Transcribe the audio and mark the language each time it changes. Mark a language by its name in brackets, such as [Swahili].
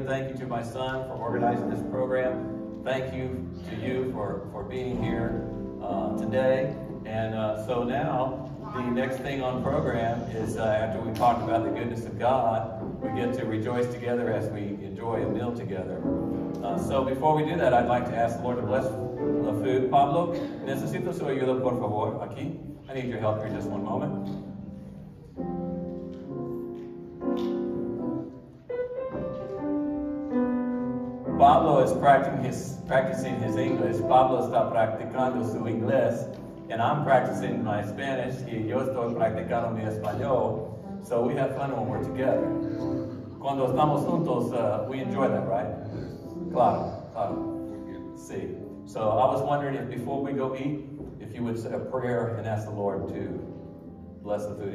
[English] Thank you to my son for organizing this program. Thank you to you for being here today. And so now, the next thing on program is after we talk about the goodness of God, we get to rejoice together as we enjoy a meal together. So before we do that, I'd like to ask the Lord to bless the food. [Spanish] Pablo, necesito su ayuda, por favor, aquí. [English] I need your help here just one moment. Pablo is practicing his English. [Spanish] Pablo está practicando su inglés. [English] And I'm practicing my Spanish. [Spanish] Y yo estoy practicando mi español. [English] So we have fun when we're together. [Spanish] Cuando estamos juntos, [English] we enjoy that, right? [Spanish] Claro. Sí. [English] So I was wondering if before we go eat, if you would say a prayer and ask the Lord to bless the food.